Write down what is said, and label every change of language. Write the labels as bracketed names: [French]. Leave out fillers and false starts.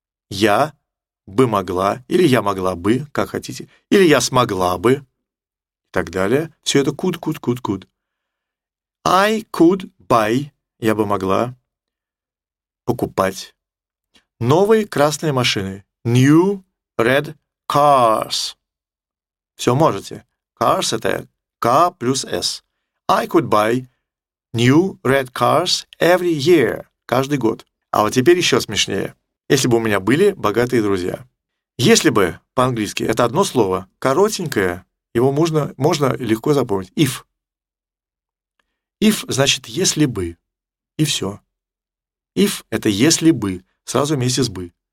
[Russian] Я бы могла, или я могла бы, как хотите, или я смогла бы, и так далее. Все это could. [English] I could buy, [Russian] я бы могла покупать новые красные машины. [English] New red cars. [Russian] Все можете. [English] Cars — [Russian] это K плюс S. [English] I could buy new red cars every year. [Russian] Каждый год. А вот теперь еще смешнее. Если бы у меня были богатые друзья. Если бы, по-английски, это одно слово, коротенькое, его можно легко запомнить. [English] If. [Russian] If значит если бы. И все. If — это если бы. Сразу вместе с бы.